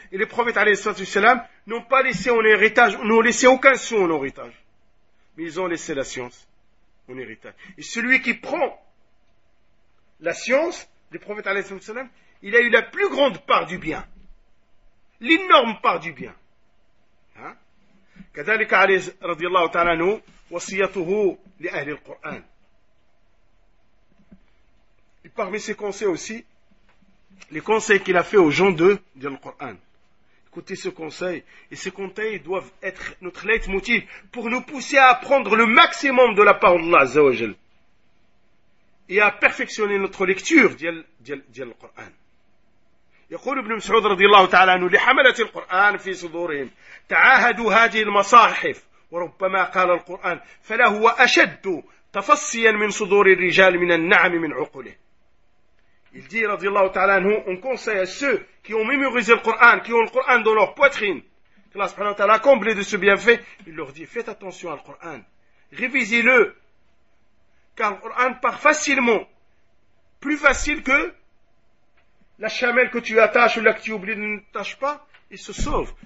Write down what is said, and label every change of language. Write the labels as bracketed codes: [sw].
[fr] Et les prophètes alayhi sallatou salam n'ont pas laissé en héritage, n'ont laissé aucun sou en héritage. Mais ils ont laissé la science en héritage. Et celui qui prend la science, le prophète alayhi salatu wasalam, il a eu la plus grande part du bien. L'énorme part du bien. [ar] كذلك عليه رضي الله تعالى عنه وصيته لأهل القرآن. [fr] Et parmi ses conseils aussi, les conseils qu'il a fait aux gens de le Coran. Écoutez ce conseil. Et ces conseils doivent être notre leitmotiv pour nous pousser à apprendre le maximum de la parole d'Allah Azza wa Jal. Et à perfectionner notre lecture du Coran. [ar] يقول ابن مسعود رضي الله تعالى عنه لحملة القرآن في صدورهم تعاهدوا هذه المصاحف وربما قال القرآن فلا هو أشد تفصيا من صدور الرجال من النعم من عقله. [fr] Il dit [ar] رضي الله تعالى عنه [fr] on conseille à ceux qui ont mémorisé le Coran, qui ont le Coran dans leur poitrine, que l'Allah est comblé de ce bienfait. Il leur dit faites attention au Coran, révisez-le, car le Coran part facilement, plus facile que la chamelle que tu attaches ou là que tu oublies ne t'attache pas, il se sauve.